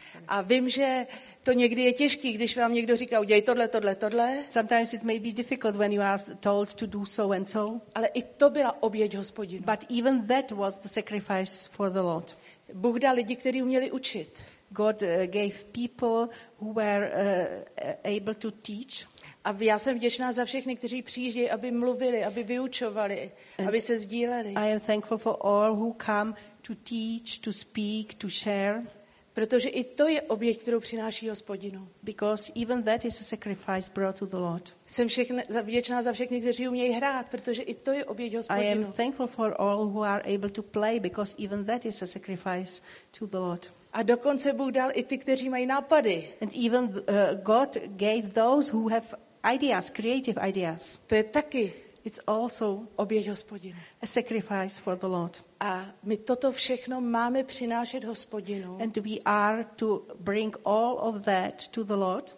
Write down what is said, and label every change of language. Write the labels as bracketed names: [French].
[Czech] A vím, že to někdy je těžký, když vám někdo říká, udělej tohle. [English] Sometimes it may be difficult when you are told to do so and so. [Czech] Ale i to byla oběť Hospodinu. [English] But even that was the sacrifice for the Lord. [Czech] Bůh dal lidi, kteří uměli učit. [English] God gave people who were able to teach. [Czech] A já jsem vděčná za všechny, kteří přijíždějí, aby mluvili, aby vyučovali, [English] and [Czech] aby se sdíleli. [English] I am thankful for all who come to teach, to speak, to share. [Czech] Protože i to je oběť, kterou přináší Hospodinu. [English] Because even that is a sacrifice brought to the Lord. [Czech] Jsem vděčná za všechny, kteří umějí hrát, protože i to je oběť Hospodinu. [English] I am thankful for all who are able to play, because even that is a sacrifice to the Lord. [Czech] A dokonce Bůh dal i ty, kteří mají nápady. [English] And even God gave those who have ideas, creative ideas. [Czech] To je taky. [English] It's also [Czech] oběť Hospodinu. [English] A sacrifice for the Lord. [Czech] A my toto všechno máme přinášet Hospodinu. [English] And we are to bring all of that to the Lord.